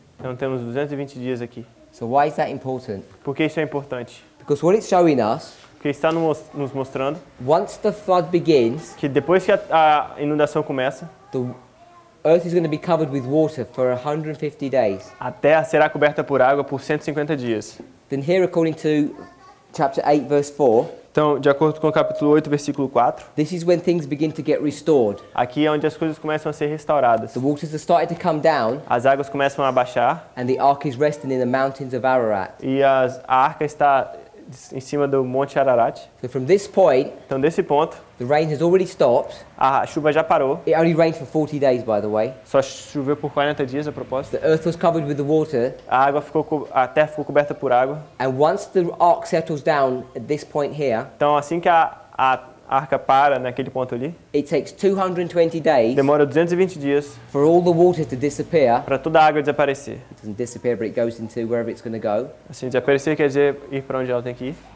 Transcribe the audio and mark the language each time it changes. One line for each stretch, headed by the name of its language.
Portuguese: Então temos 220 dias aqui.
English: So why is that important?
Portuguese: Por que isso é importante?
English: Because what it's showing us.
Portuguese: Que está nos mostrando.
English: Once the flood begins,
Portuguese: que depois que a inundação começa,
English: the earth is going to be covered with water for 150 days.
Portuguese: A terra será coberta por água por 150 dias.
English: Then here according to chapter 8 verse 4.
Portuguese: Então, de acordo com o capítulo 8 versículo 4.
English: This is when things begin to get restored.
Portuguese: Aqui é onde as coisas começam a ser restauradas.
English: The waters are starting to come down.
Portuguese: As águas começam a baixar.
English: And the ark is resting in the mountains of Ararat.
Portuguese: E a arca está em cima do Monte Ararat.
English: So from this point,
Portuguese: então desse ponto,
English: the rain has already stopped.
Portuguese: A chuva já parou.
English: It only rained for 40 days, by the way.
Portuguese: Só choveu por 40 dias, a propósito.
English: The earth was covered with the water.
Portuguese: A terra ficou coberta por água.
English: And once the ark settles down at this point here,
Portuguese: então assim que a a arca para naquele ponto ali.
English: It takes 220 days.
Portuguese: Demora 220 dias.
English: For all the water to disappear.
Portuguese: Para toda a água desaparecer.
English: It doesn't disappear, but it goes into wherever it's going to go.
Portuguese: Assim, desaparecer quer dizer ir para onde ela tem que ir.